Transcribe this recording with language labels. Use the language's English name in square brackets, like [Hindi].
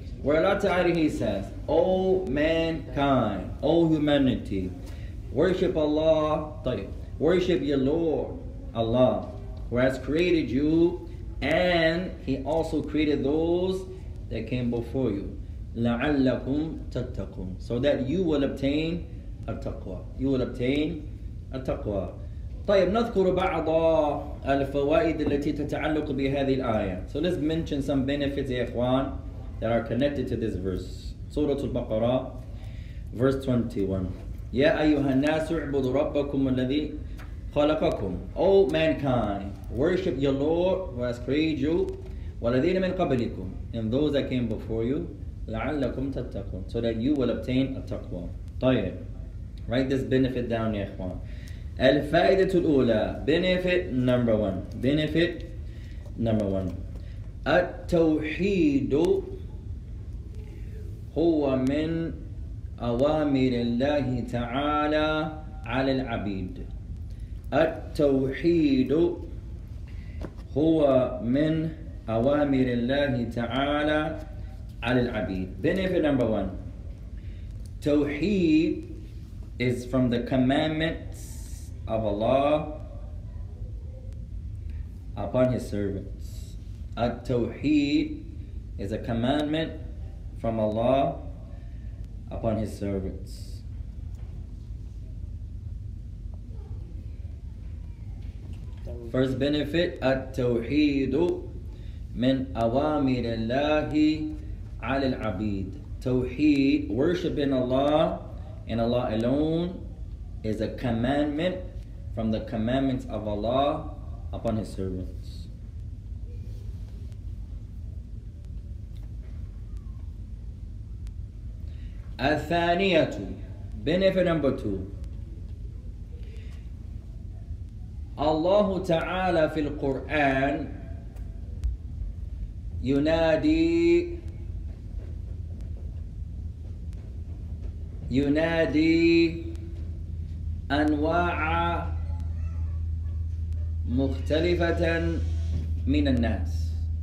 [English] Where Allah Ta'ala, He says, O mankind, O humanity, worship Allah, worship your Lord, Allah, who has created you, and He also created those that came before you. [Arabic] لَعَلَّكُمْ تَتَّقُونَ. [English] So that you will obtain التَّقْوَى. You will obtain التَّقْوَى. [Arabic] طيب نذكر بعض الفوائد التي تتعلق بهذه الآية. [English] So let's mention some benefits, [Arabic] يا إخوان, [English] that are connected to this verse. [Arabic] سورة البقرة, [English] verse 21. [Arabic] يَا أَيُّهَا النَّاسُ اعْبُدُوا رَبَّكُمُ الَّذِي خَلَقَكُمْ. [English] O mankind, worship your Lord who has created you, [Arabic] وَالَذِينَ مِنْ قَبْلِكُمْ, [English] and those that came before you, [Arabic] لَعَلَّكُمْ تَتَّقُونَ, [English] so that you will obtain a taqwa. [Arabic] طيب, [English] write this benefit down, [Arabic] يا إخوان. الفائدة الأولى, [English] benefit number one. [Arabic] التوحيد هو من أوامر الله تعالى على العبيد. التوحيد هو من أوامر الله تعالى على العبيد. [English] Benefit number one. توحيد is from the commandments of Allah upon His servants. التوحيد is a commandment from Allah upon His servants. First benefit, [Arabic] التوحيد من أوامر الله على العبيد. [English] توحيد, worshiping Allah and Allah alone, is a commandment from the commandments of Allah upon His servants. [Arabic] الثانية, [English] benefit number two. [Arabic] الله تعالى في القرآن ينادي أنواع مختلفة من الناس.